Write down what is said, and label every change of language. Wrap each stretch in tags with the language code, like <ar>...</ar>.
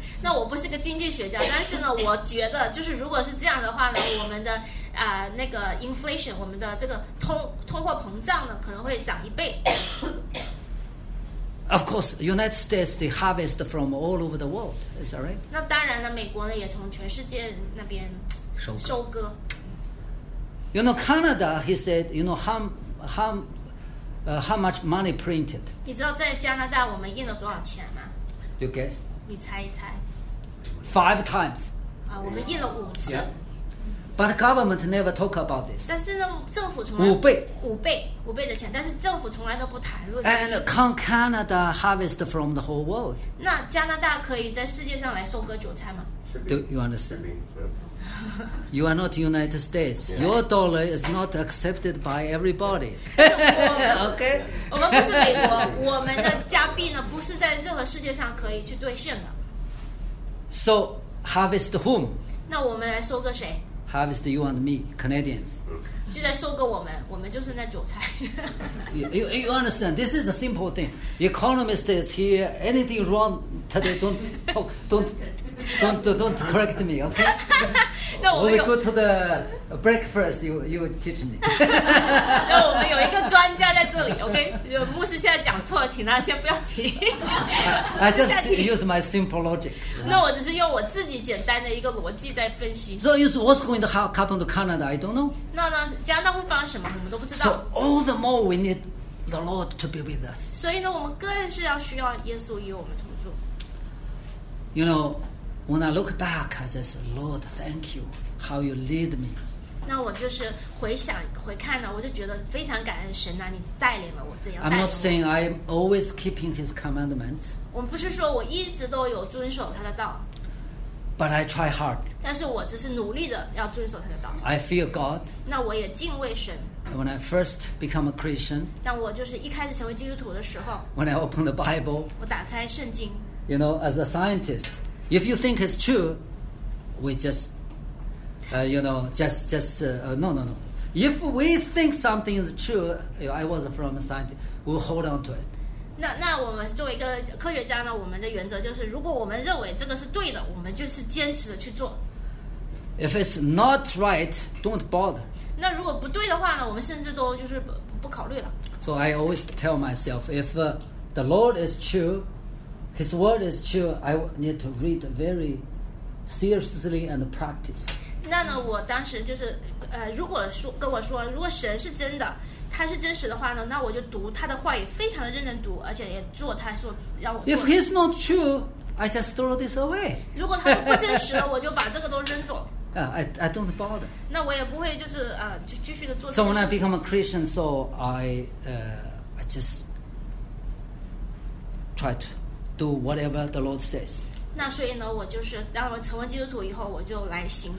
<zh>那我不是个经济学家，但是呢，我觉得就是如果是这样的话呢，我们的那个 inflation, 我们的这个通货膨胀呢，可能会涨一倍。</zh> <en>Of course, United States, they harvest from all over the world. Is that right?</en> <zh>那当然了，美国呢也从全世界那边收割。</zh> <en>You know, Canada, he said, you know, how much money printed?</en> <zh>你知道在加拿大我们印了多少钱吗？</zh> <en>You guess?</en> <zh>你猜一猜。</zh> <en>Five times.</en> <zh>啊，我们印了五次。</zh> <en>Yeah. But government never talk about this.</en> <zh>但是呢，政府从来五倍的钱，但是政府从来都不谈论。</zh> <en>And can Canada harvest from the whole world?</en> <zh>那加拿大可以在世界上来收割韭菜吗？</zh> <en>Do you understand? You are not United States. Your dollar is not accepted by everybody. Okay.</en> <zh>我们不是美国，我们的加币呢，不是在任何世界上可以去兑现的。</zh> <en>So harvest whom?</en> <zh>那我们来收割谁？</zh> <en>Harvest you and me, Canadians.</en> <zh>就在收割我们，我们就是那韭菜。</zh> <en>You understand? This is a simple thing. Economists here, anything wrong today? Don't correct me, okay?</en> <zh>那我们</zh> <en>有 go to the breakfast. You teach me.</en> <zh>那我们有一个专家在这里 ，OK? 有牧师现在讲错了，请他先不要提。</zh> <en>I just use my simple logic.</en> <zh>那我只是用我自己简单的一个逻辑在分析。</zh> <en>So you see, what's going to happen to Canada? I don't know.</en> <zh>那加拿大会发生什么？我们都不知道。</zh> <en>So all the more we need the Lord to be with us.</en> <zh>所以呢，我们更是要需要耶稣与我们同住。</zh> <en>You know. When I look back, I say, Lord, thank you, how you lead me.</en> <zh>那我就是回想回看呢，我就觉得非常感恩神啊，你带领了我怎样。</zh> <en>I'm not saying I'm always keeping His commandments.</en> <zh>我不是说我一直都有遵守他的道。</zh> <en>But I try hard.</en> <zh>但是我只是努力的要遵守他的道。</zh> <en>I fear God.</en> <zh>那我也敬畏神。</zh> <en>When I first become a Christian.</en> <zh>当我就是一开始成为基督徒的时候。</zh> <en>When I open the Bible.</en> <zh>我打开圣经。</zh> <en>You know, as a scientist. If you think it's true, we just, you know, just, no. If we think something is true, you know, I was from a scientist, we'll hold on to it.</en> <zh>那我们作为一个科学家呢，我们的原则就是，如果我们认为这个是对的，我们就是坚持的去做。</zh> <en>If it's not right, don't bother.</en> <zh>那如果不对的话呢，我们甚至都就是不考虑了。</zh> <en>So I always tell myself, if the Lord is true,His word is true. I need to read very seriously and practice.</en> <zh>那呢，我当时就是，如果说跟我说，如果神是真的，他是真实的话呢，那我就读他的话语，非常的认真读，而且也做他说让我做。</zh> <en>If he's not true, I just throw this away.</en> <zh>如果他不真实了，我就把这个都扔走。</zh> <en>I don't bother.</en> <zh>那我也不会就是就继续的做。</zh> <en>So when I become a Christian, so I just try to. Do whatever the Lord says.</en> <zh>那所以呢，我就是当我成为基督徒以后，我就来行。</zh>